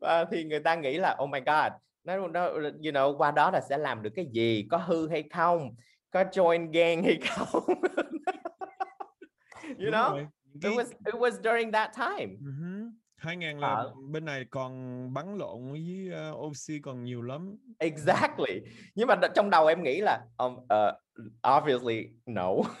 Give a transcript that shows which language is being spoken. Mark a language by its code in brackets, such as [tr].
[vi] thì người ta nghĩ là [en] oh my god, you know, [vi] qua đó là sẽ làm được cái gì, có hư hay không, có join gang hay không. [en] You know, it was during that time. [vi] 2000 là bên này còn bắn lộn với OC còn nhiều lắm. [en] Exactly. [vi] Nhưng mà trong đầu em nghĩ là [en] obviously no.